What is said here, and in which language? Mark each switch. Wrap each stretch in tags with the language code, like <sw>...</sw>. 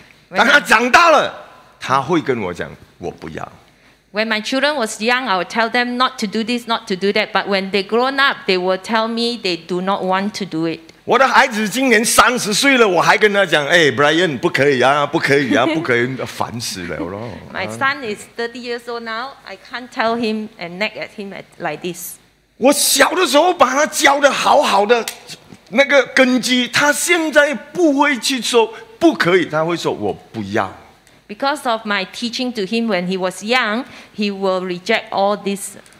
<zh>当他长大了，他会跟我讲我不要。</zh> <en>When my children was young, I would tell them not to do this, not to do that. But when they grown up, they will tell me they do not want to do it.</en> <zh>我的孩子今年30岁了，我还跟他讲，哎 ，Brian， 不可以啊，不可以啊，不可以，烦死了咯。</zh> <en>My son is 30 years old now. I can't tell him and nag at him like this.</en> <zh>我小的时候把他教的好好的那个根基，他现在不会去说不可以，他会说我不要。</zh> <en>Because of my teaching to him when he was young, he will reject all this.</en>